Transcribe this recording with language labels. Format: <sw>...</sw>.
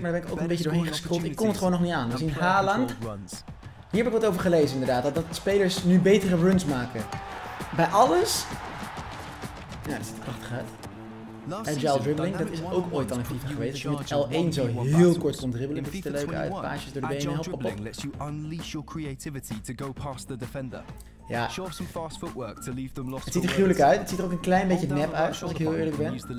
<nl>Maar daar ben ik ook een beetje doorheen gescrollt. Ik kon het gewoon nog niet aan. We zien Haaland. Hier heb ik wat over gelezen inderdaad. Dat spelers nu betere runs maken. Bij alles. Ja, dat ziet er prachtig uit. Agile dribbling, dat is ook ooit al in FIFA geweest. Dat je met L1 zo heel kort kon dribbelen. Dat ziet er leuk uit. Paasjes door de benen. Help, op.</nl> <en>Lets you unleash your creativity to go past the defender.</en> <nl>Ja. Het ziet er gruwelijk uit. Het ziet er ook een klein beetje nep uit, als ik heel eerlijk ben.</nl>